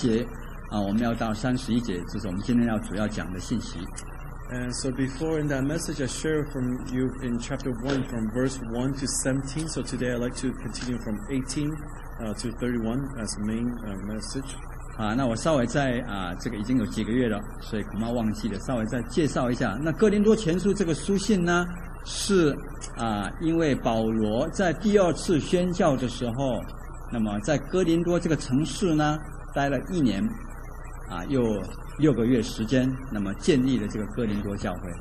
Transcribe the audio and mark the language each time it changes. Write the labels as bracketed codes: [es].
[zh] 节啊，我们要到31节，这是我们今天要主要讲的信息。 [en] And so before in that message, I share from you in chapter 1 from verse 1 to 17. So today I'd like to continue from 18 to 31 as main message. [zh] 那我稍微在这个已经有几个月了，所以恐怕忘记了，稍微再介绍一下。那哥林多前书这个书信呢，是因为保罗在第二次宣教的时候，那么在哥林多这个城市呢待了一年又六个月时间，那么建立了这个哥林多教会。